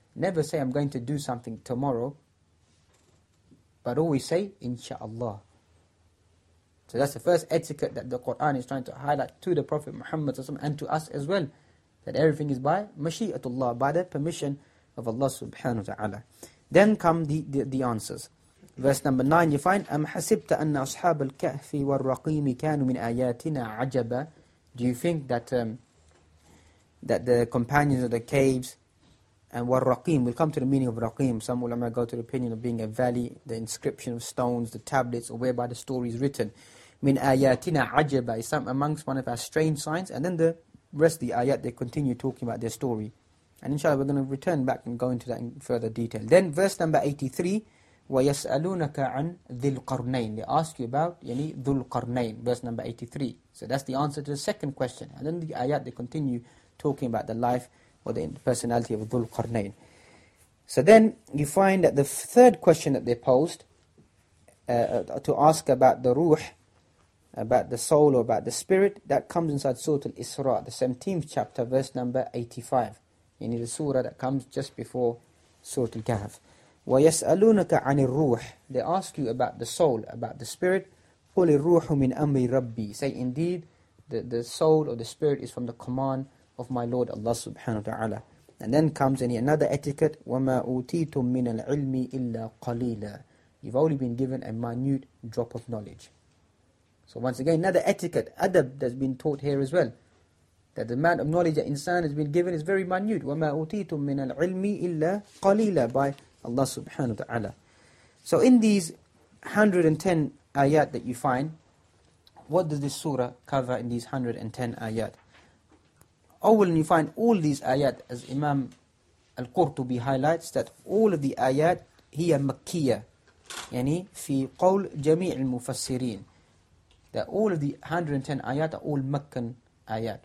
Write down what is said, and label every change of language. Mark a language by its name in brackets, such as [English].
[English] Never say, I'm going to do something tomorrow, but always say, Insha'Allah. So that's the first etiquette that the Qur'an is trying to highlight to the Prophet Muhammad and to us as well, that everything is by mashi'atullah, by the permission of Allah subhanahu wa ta'ala. Then come the answers. Verse number 9, you find, [Arabic] أَمْ حَسِبْتَ أَنَّ أَصْحَابَ الْكَهْفِ وَالرَّقِيمِ كَانُوا مِنْ آيَاتِنَا عَجَبًا. [English] Do you think that that the companions of the caves and وَالرَّقِيمِ, we'll come to the meaning of raqim. Some ulama go to the opinion of being a valley, the inscription of stones, the tablets, or whereby the story is written. [Arabic] مِنْ آيَاتِنَا عَجَبًا [English] is some amongst one of our strange signs. And then the rest of the ayat, they continue talking about their story. And inshallah, we're going to return back and go into that in further detail. Then verse number 83, [Arabic] وَيَسْأَلُونَكَ عَنْ ذِي الْقَرْنَيْنِ. [English] They ask you about ذُو الْقَرْنَيْنِ, verse number 83. So that's the answer to the second question. And then the ayat, they continue talking about the life or the personality of ذُو الْقَرْنَيْنِ. So then you find that the third question that they posed to ask about the ruh, about the soul or about the spirit, that comes inside Surah Al-Isra, the 17th chapter, verse number 85. The surah that comes just before Surah Al-Kahf. [Arabic] وَيَسْأَلُونَكَ عَنِ الرُّوحِ. [English] They ask you about the soul, about the spirit. [Arabic] قُلِ الرُّوحُ مِنْ أَمْرِ رَبِّي. [English] Say, indeed, the soul or the spirit is from the command of my Lord Allah subhanahu wa ta'ala. And then comes another etiquette. [Arabic] وَمَا أُوتِيتُم مِّنَ الْعِلْمِ إِلَّا قَلِيلًا. [English] You've only been given a minute drop of knowledge. So once again, another etiquette, adab, that's been taught here as well. That the amount of knowledge that insan has been given is very minute. [Arabic] وَمَا أُوتِيتُم مِّنَ الْعِلْمِ إِلَّا قَلِيلًا [English] by Allah subhanahu wa ta'ala. So in these 110 ayat that you find, what does this surah cover in these 110 ayat? Awwalan, you find all these ayat, as Imam Al-Qurtubi highlights, that all of the ayat, [Arabic] هي مكية, يعني في قول جميع المفسرين, [English] that all of the 110 ayat are all Meccan ayat.